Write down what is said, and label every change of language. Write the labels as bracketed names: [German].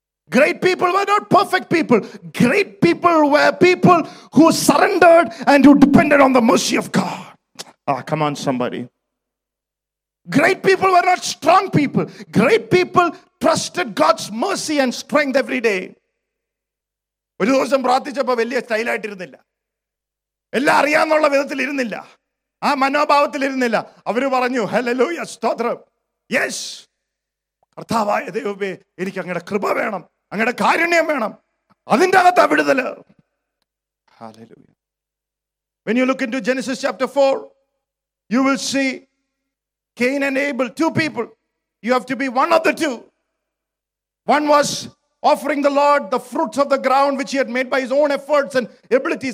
[English] Great people were not perfect people. Great people were people who surrendered and who depended on the mercy of God. Ah, come on, somebody. Great people were not strong people. Great people trusted God's mercy and strength every day. [Malayalam] ഒരു ദിവസം പ്രാർത്ഥിച്ചപ്പോ വലിയ സ്റ്റൈലായിട്ടിരുന്നില്ല, എല്ലാം അറിയാന്നുള്ള വിധത്തിൽ ഇരുന്നില്ല, ആ മനോഭാവത്തിൽ ഇരുന്നില്ല. അവര് പറഞ്ഞു, hallelujah, സ്തോത്രം, യെസ്, കർത്താവായ ദൈവമേ, എനിക്ക് അങ്ങയുടെ കൃപ വേണം, അങ്ങയുടെ കാരുണ്യം വേണം, അതിന്റെ അകത്ത് വിടുതൽ. Hallelujah. [English] When you look into Genesis chapter 4, you will see Cain and Abel, two people. You have to be one of the two. One was offering the Lord the fruits of the ground which he had made by his own efforts and abilities.